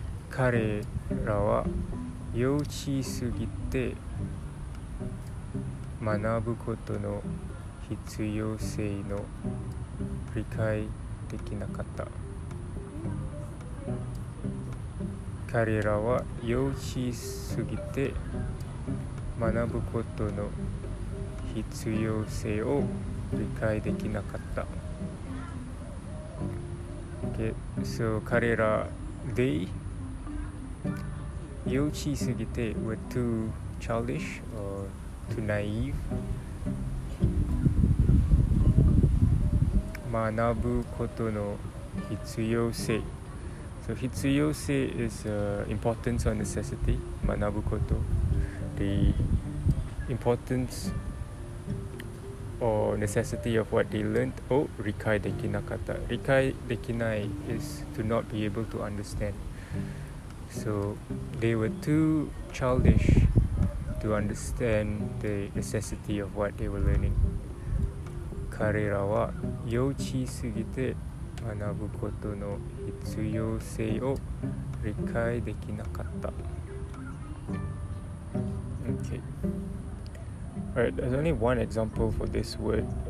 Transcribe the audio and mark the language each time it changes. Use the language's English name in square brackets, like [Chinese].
[Japanese] 彼らは幼稚すぎて学ぶことの必要性の理解できなかった。彼らは幼稚すぎて学ぶことの必要性を理解できなかった。 [English] Okay, so [Japanese] 彼ら [English] they [Japanese] 幼稚すぎて [English] were too childish or too naive [Japanese] 学ぶことの必要性 [English] So [Japanese] 必要性 [English] is importance or necessity [Japanese] 学ぶこと [English] theimportance or necessity of what they learned oh, [Japanese] 理解できなかった理解できない [English] is to not be able to understand so they were too childish to understand the necessity of what they were learning [Japanese] 彼らは幼稚すぎて学ぶことの必要性を理解できなかった。 [English] Okay. Alright, there's only one example for this word.